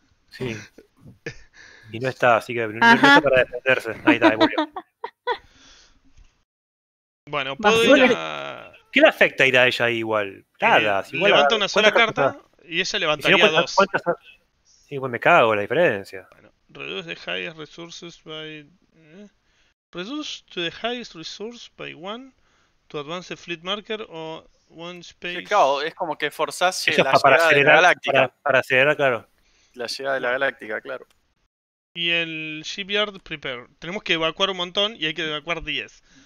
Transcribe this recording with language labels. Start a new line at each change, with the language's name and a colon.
Spanish: Sí. Y no está, así que no está para defenderse. Ahí está, ahí murió. Bueno, puedo ir a... ¿Qué le afecta ir a ella ahí igual? Nada. Igual levanta una sola carta y ella levantaría dos. ¿Cuántas? Sí, pues me cago la diferencia. Bueno.
English: Reduce the highest resources by reduce to the highest resource by one to advance the fleet marker o one space.
Spanish: claro, es como que forzás la llegada para acelerar, de la galáctica. Para acelerar, claro. La llegada de la galáctica, claro. Y el shipyard prepare. Tenemos que evacuar un montón y hay que evacuar 10.